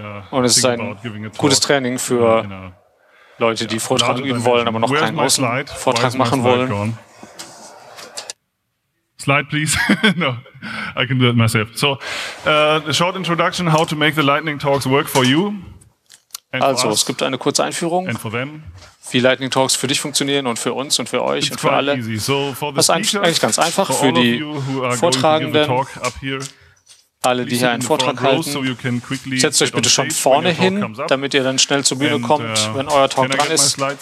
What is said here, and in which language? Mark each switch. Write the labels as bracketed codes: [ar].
[de] Und es ist ein gutes Training für Leute, die Vortrag üben wollen, aber noch keinen Außenvortrag machen wollen. [en] Slide, please. No, I can do that myself. So, a short introduction, how to make the Lightning Talks work for you. [de] Also, es gibt eine kurze Einführung, wie Lightning Talks für dich funktionieren und für uns und für euch und für alle. Das ist eigentlich ganz einfach für die Vortragenden, alle, die hier einen Vortrag halten. Setzt euch bitte schon vorne hin, damit ihr dann schnell zur Bühne kommt, wenn euer Talk dran ist.